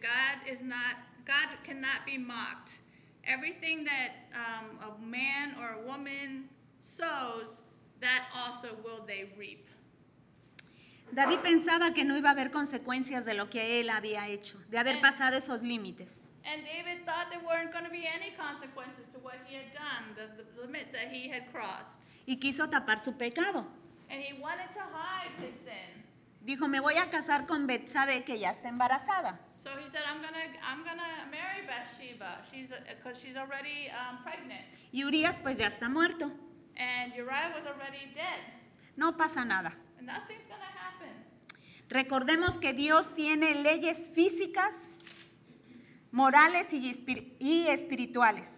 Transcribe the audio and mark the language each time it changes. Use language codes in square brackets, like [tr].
[en] God is not, God cannot be mocked. Everything that a man or a woman sows, that also will they reap. [es] David pensaba que no iba a haber consecuencias de lo que él había hecho, de haber pasado esos límites. [en] And David thought there weren't going to be any consequences to what he had done, the limit that he had crossed. [es] Y quiso tapar su pecado. [en] And he wanted to hide his sin. [es] Dijo, me voy a casar con Betsabé, que ya está embarazada. [en] So he said, I'm gonna marry Bathsheba, because she's already pregnant. [es] Y Urias, pues ya está muerto. [en] And Uriah was already dead. [es] No pasa nada. [en] Nothing's gonna happen. [es] Recordemos que Dios tiene leyes físicas, morales y espirituales.